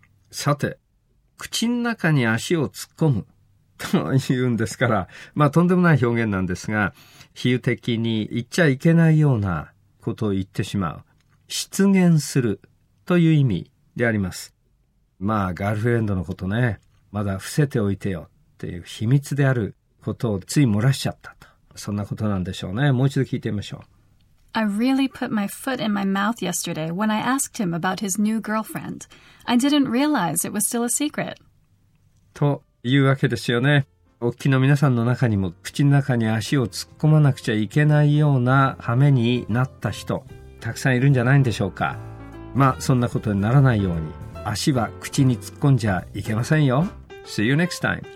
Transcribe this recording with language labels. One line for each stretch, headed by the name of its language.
Japanese: さて、口の中に足を突っ込む。というんですから、まあとんでもない表現なんですが、比喩的に言っちゃいけないようなことを言ってしまう、失言するという意味であります。まあガールフレンドのことね、まだ伏せておいてよっていう秘密であることをつい漏らしちゃったと、そんなことなんでしょうね。もう一度聞いてみましょう。
English: I really put my foot in my mouth yesterday when I asked him about his new girlfriend. I didn't realize it was still a secret.
Japanese: というわけですよね。お聞きの皆さんの中にも口の中に足を突っ込まなくちゃいけないような羽目になった人たくさんいるんじゃないんでしょうか。まあそんなことにならないように足は口に突っ込んじゃいけませんよ。
English: See you next time.